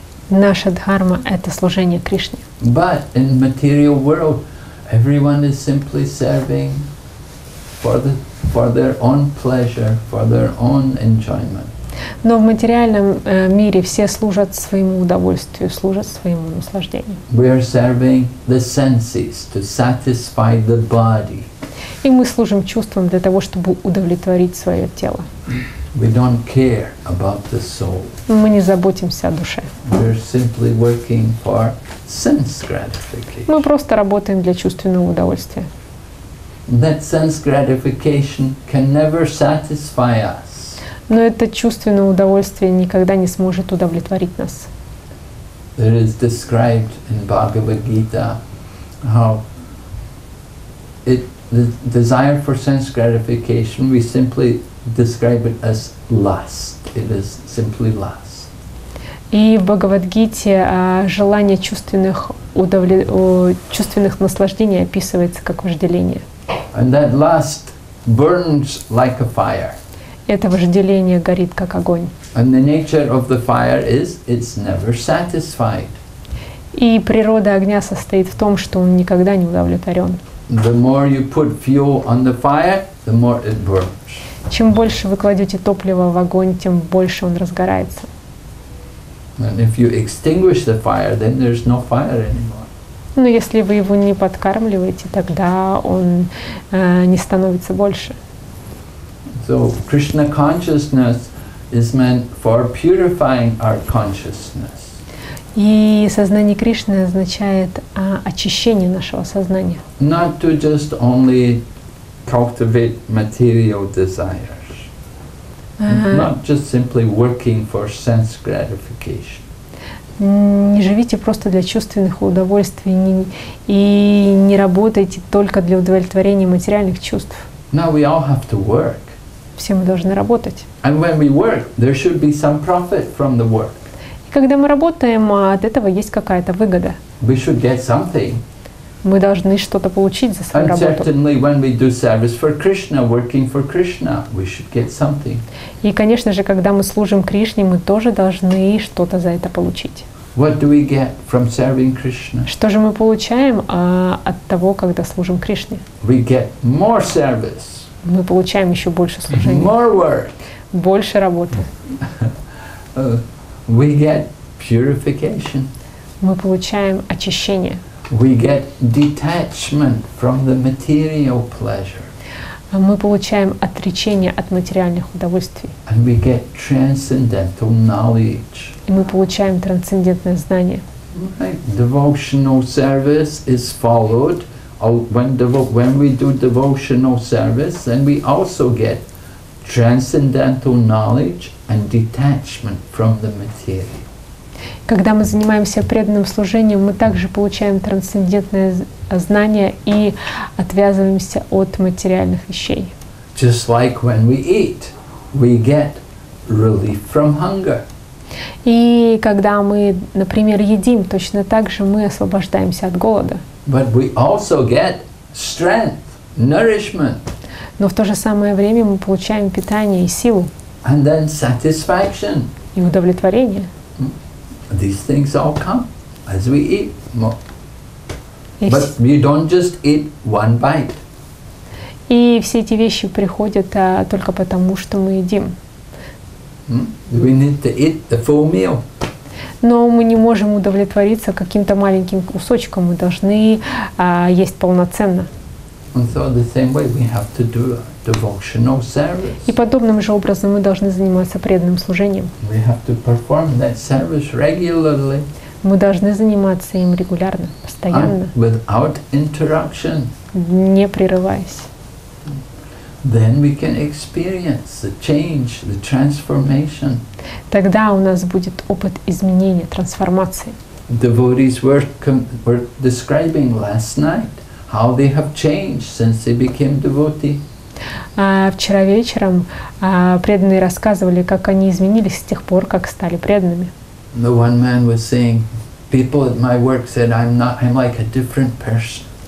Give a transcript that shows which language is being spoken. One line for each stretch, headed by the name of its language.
Russian: Наша дхарма — это служение Кришне.
English: But in material world, everyone is simply serving for their own pleasure, for their own enjoyment.
Russian: Но в материальном мире все служат своему удовольствию, служат своему наслаждению.
English: We are serving the senses to satisfy the body.
Russian: И мы служим чувствам для того, чтобы удовлетворить свое тело.
English: We don't care about the soul.
Russian: Мы не заботимся о душе.
English: We are simply working for sense gratification.
Russian: Мы просто работаем для чувственного удовольствия.
English: That sense gratification can never satisfy us.
Russian: Но это чувственное удовольствие никогда не сможет удовлетворить нас.
English: It is described in Bhagavad Gita how it, the desire for sense gratification, we simply describe it as lust. It is simply lust.
Russian: И в Бхагавад-гите желание чувственных наслаждений описывается как вожделение.
English: And that lust burns like a fire.
Russian: Это вожделение горит как огонь.
English: And the nature of the fire is it's never satisfied.
Russian: И природа огня состоит в том, что он никогда не удовлетворен.
English: The more you put fuel on the fire, the more it burns.
Russian: Чем больше вы кладете топлива в огонь, тем больше он разгорается.
English: And if you extinguish the fire, then there's no fire anymore.
Russian: Но если вы его не подкармливаете, тогда он не становится больше.
English: So Krishna consciousness is meant for purifying our consciousness.
Russian: И сознание Кришны означает очищение нашего сознания.
English: Not to just only cultivate material desires. Not just simply working for sense gratification.
Russian: Не живите просто для чувственных удовольствий и не работайте только для удовлетворения материальных чувств.
English: Now we all have to work.
Russian: Все мы должны работать.
English: And when we work, there should be some profit from the work.
Russian: И когда мы работаем, от этого есть какая-то выгода.
English: We should get something.
Russian: Мы должны что-то получить за свою
English: And And certainly when we do service for Krishna, working for Krishna, we should get something.
Russian: И, конечно же, когда мы служим Кришне, мы тоже должны что-то за это получить.
English: What do we get from serving Krishna?
Russian: Что же мы получаем от того, когда служим Кришне?
English: We get more service.
Russian: Мы получаем еще больше служения.
English: More work.
Russian: Больше работы.
English: We get purification.
Russian: Мы получаем очищение.
English: We get detachment from the material pleasure.
Russian: Мы получаем отречение от материальных удовольствий.
English: And we get transcendental knowledge.
Russian: И мы получаем трансцендентное знание.
English: Right. Devotional service is followed. When we do devotional service, then we also get transcendental knowledge and detachment from the material.
Russian: Когда мы занимаемся преданным служением, мы также получаем трансцендентное знание и отвязываемся от материальных вещей.
English: Just like when we eat, we get relief from hunger.
Russian: И когда мы, например, едим, точно так же мы освобождаемся от голода.
English: But we also get strength, nourishment.
Russian: Но в то же самое время мы получаем питание и силу.
English: And then satisfaction.
Russian: И удовлетворение.
English: These things all come as we eat. But you don't just eat one bite.
Russian: И все эти вещи приходят только потому, что мы едим.
English: We need to eat the full meal.
Russian: Но мы не можем удовлетвориться каким-то маленьким кусочком. Мы должны есть полноценно.
English: And so the same way we have to do devotional service.
Russian: И подобным же образом мы должны заниматься преданным служением.
English: We have to perform that service regularly.
Russian: Мы должны заниматься им регулярно, постоянно.
English: And without interruption.
Russian: Не прерываясь.
English: Then we can experience the change, the transformation.
Russian: Тогда у нас будет опыт изменения, трансформации.
English: Devotees were describing last night how they have changed since they became devotee.
Russian: Вчера вечером преданные рассказывали, как они изменились с тех пор, как стали преданными.
English: The one man was saying, "People at my work said I'm like a different person."